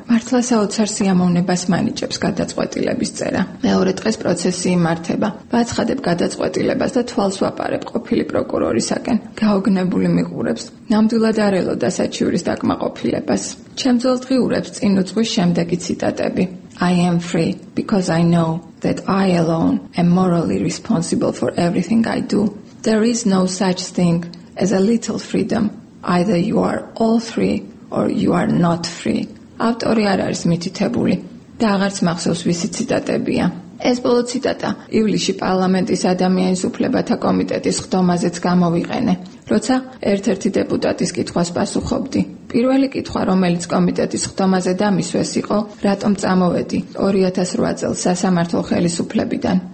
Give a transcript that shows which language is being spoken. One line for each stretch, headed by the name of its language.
Georgian: მართლა საოცარ სიამოვნებას მანიჭებს გადაწყვეტილების წერა. მეორე დღეს პროცესი იმართება. ვაცხადებ გადაწყვეტილებას და თვალს ვაპარებ ყოფილი პროკურორისაკენ. გაოგნებული მიყურებს. ნამდვილად არელო და საჩივრის დაკმაყოფილებას. ჩემძოლ დღიურებს წინ უძღვის შემდეგი ციტატები.
English: I am free because I know that I alone am morally responsible for everything I do. There is no such thing as a little freedom. Either you are all free or you are not free.
Georgian: ავტორი არ არის მითითებული და აღარც მახსოვს ვისი ციტატებია. ეს ბოლო ციტატა ივლისში პარლამენტის ადამიანის უფლებათა კომიტეტის ხდომაზეც გამოვიყენე, როცა ერთ-ერთი დეპუტატის კითხვას პასუხობდი. პირველი კითხვა, რომელიც კომიტეტის ხდომაზე დამისვეს იყო, რატომ წამოვედი 2008 წელს სასამართლო ხელისუფლებიდან.